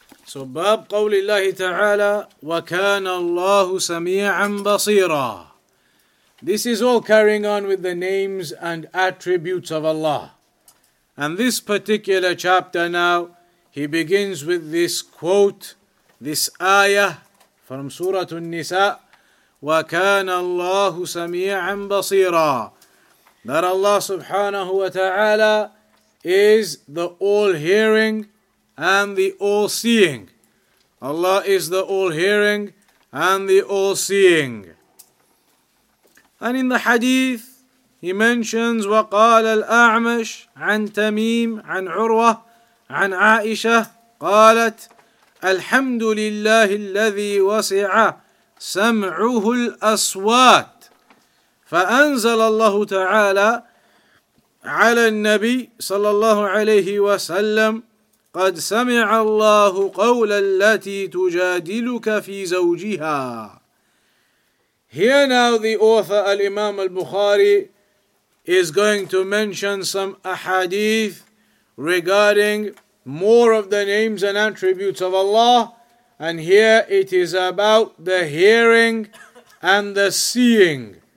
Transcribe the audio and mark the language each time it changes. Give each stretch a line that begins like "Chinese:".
Arabic: So, باب قول الله تعالى وكان الله سميعا بصيرا.
English: This is all carrying on with the names and attributes of Allah. And this particular chapter now, he begins with this quote, this ayah from Surah An-Nisa,
Arabic: وكان الله سميعا بصيرا.
English: That Allah subhanahu wa ta'ala is the all-hearing and the all-seeing. Allah is the all-hearing and the all-seeing. And in the hadith, he mentions,
Arabic: وَقَالَ الْأَعْمَشْ عَنْ تَمِيمٍ عَنْ عُرْوَةٍ عَنْ عَائِشَةٍ قَالَتْ الْحَمْدُ لِلَّهِ الَّذِي وَسِعَ سَمْعُهُ الْأَصْوَاتِ فَأَنْزَلَ اللَّهُ تَعَالَى عَلَى النَّبِيِّ صَلَى اللَّهُ عَلَيْهِ وَسَلَّمْ قَدْ سَمِعَ اللَّهُ قَوْلَ الَّتِي تُجَادِلُكَ فِي زَوْجِهَا.
English: Here now the author, Al-Imam Al-Bukhari, is going to mention some ahadith regarding more of the names and attributes of Allah. And here it is about the hearing and the seeing.